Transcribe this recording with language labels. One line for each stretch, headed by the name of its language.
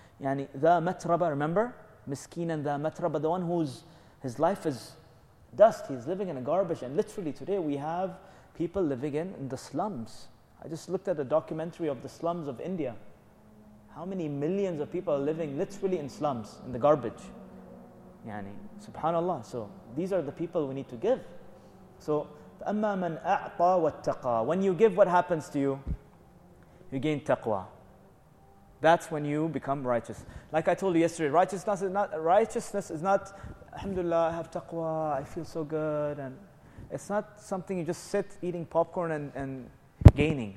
English: Yani,
Arabic: ذَا مَتْرَبَى,
English: remember? Miskeen and the matraba, the one whose his life is dust, he's living in a garbage. And literally today we have people living in the slums. I just looked at a documentary of the slums of India. How many millions of people are living literally in slums, in the garbage? Yani, subhanAllah. So these are the people we need to give.
Arabic: So, أَمَّا مَنْ أَعْطَى وَاتَّقَى.
English: When you give, what happens to you? You gain taqwa. That's when you become righteous. Like I told you yesterday, righteousness is not, alhamdulillah, I have taqwa, I feel so good. And it's not something you just sit eating popcorn and gaining.